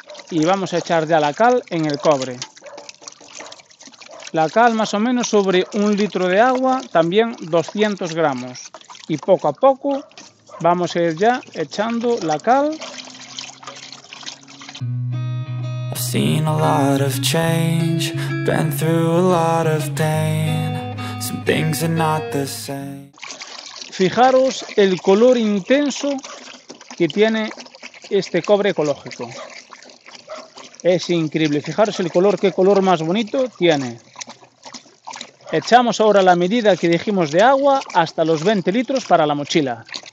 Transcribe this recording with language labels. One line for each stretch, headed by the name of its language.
Spanish: Y vamos a echar ya la cal en el cobre. La cal más o menos sobre 1 litro de agua, también 200 gramos. Y poco a poco vamos a ir ya echando la cal.
English: Seen a lot of change, been through a lot of pain, some things are not the same.
Spanish: Fijaros el color intenso que tiene este cobre ecológico. Es increíble, fijaros el color, qué color más bonito tiene. Echamos ahora la medida que dijimos de agua hasta los 20 litros para la mochila.